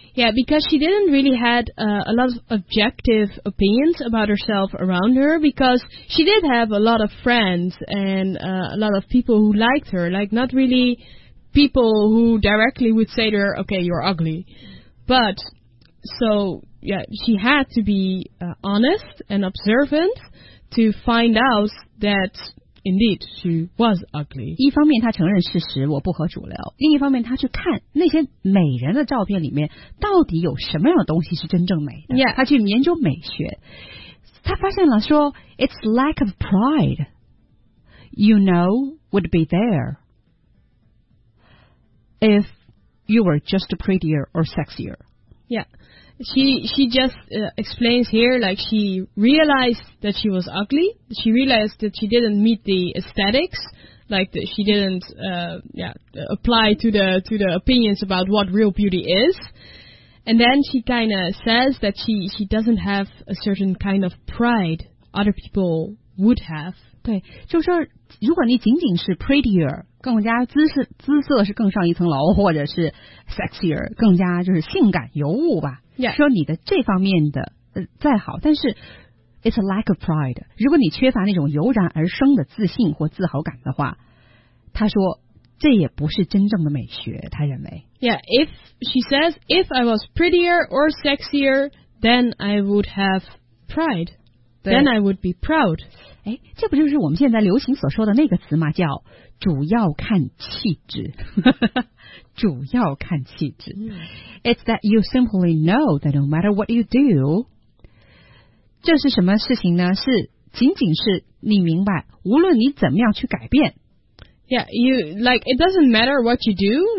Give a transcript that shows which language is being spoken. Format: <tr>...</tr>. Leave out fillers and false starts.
<en>Yeah, because she didn't really had a lot of objective opinions about herself around her, because she did have a lot of friends and a lot of people who liked her, like not really people who directly would say to her, okay, you're ugly, butSo, yeah, she had to be honest and observant to find out that, indeed, she was ugly.</en> <zh>一方面她承认事实，我不合主流，另一方面她去看那些美人的照片里面到底有什么样的东西是真正美的。</zh> <en>Yeah.</en> <zh>她去研究美学，她发现了说</zh> <en>it's lack of pride, you know, would be there if you were just prettier or sexier. Yeah. She just explains here, like, she realized that she was ugly. She realized that she didn't meet the aesthetics, like, she didn't, apply to the opinions about what real beauty is. And then she kind of says that she doesn't have a certain kind of pride other people would have.</en> <zh>对，就是说，如果你仅仅是 prettier,更加姿色是更上一层楼，或者是 sexier 更加就是性感尤物吧。</zh> <en>Yeah.</en> <zh>说你的这方面的再好，但是</zh> <en>it's a lack of pride。</en> <zh>如果你缺乏那种油然而生的自信或自豪感的话，他说这也不是真正的美学。他认为</zh> <en>，Yeah, if she says if I was prettier or sexier, then I would have pride. Then I would be proud.</en> <zh>哎，这不就是我们现在流行所说的那个词吗？叫主要看气质，主要看气质。</zh> <en>It's that you simply know that no matter what you do，</en> <zh>这是什么事情呢？是仅仅是你明白，无论你怎么样去改变。</zh> <en>Yeah, you like it doesn't matter what you do.</en>